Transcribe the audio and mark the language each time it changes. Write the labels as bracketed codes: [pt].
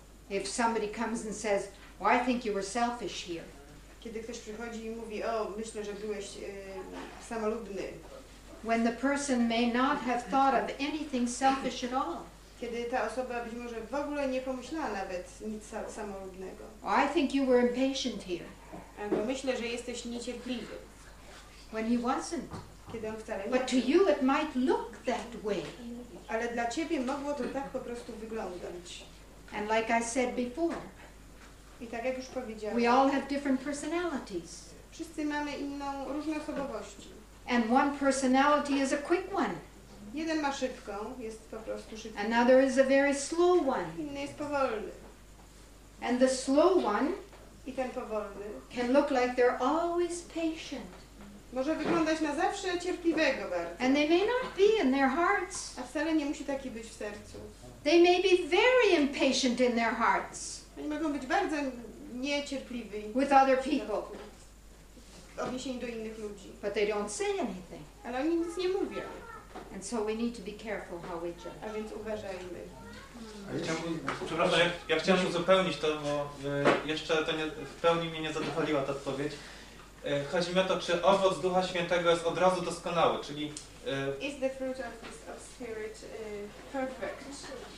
[en] If somebody comes and says, "Well, I think you were selfish here." [pl] Kiedy ktoś przychodzi i mówi, o, myślę, że byłeś samolubny. [en] When the person may not have thought of anything selfish at all. [pl] Kiedy ta osoba być może w ogóle nie pomyślała nawet nic samolubnego. [en] I think you were impatient here. [pl] Albo myślę, że jesteś niecierpliwy. [en] When he wasn't. [pl] Kiedy on wcale nie. [en] But to you it might look that way. [pl] Ale dla ciebie mogło to tak po prostu wyglądać. [en] And like I said before. [pl] I tak jak już powiedziałam. [en] We all have different personalities. [pl] Wszyscy mamy inną, różne osobowości. [en] And one personality is a quick one. [pl] Jeden ma szybką, jest po prostu szybką. [en] Another is a very slow one. [pl] Inny jest powolny. [en] And the slow one, [pl] i ten powolny, [en] can look like they're always patient. [pl] Może wyglądać na zawsze cierpliwego bardzo. [en] And they may not be in their hearts. [pl] A wcale nie musi taki być w sercu. [en] They may be very impatient in their hearts. [pl] Oni mogą być bardzo niecierpliwi. [en] With other people. [pl] W odniesieniu do innych ludzi. [en] But they don't say anything. [pl] Ale oni nic nie mówią. [en] And so we need to be careful how we judge. [pl] A więc uważajmy. Przepraszam, ja chciałem uzupełnić to, bo jeszcze to nie, w pełni mnie nie zadowoliła ta odpowiedź. Chodzi mi o to, czy owoc Ducha Świętego jest od razu doskonały, czyli... [en] Is the fruit of the Spirit perfect?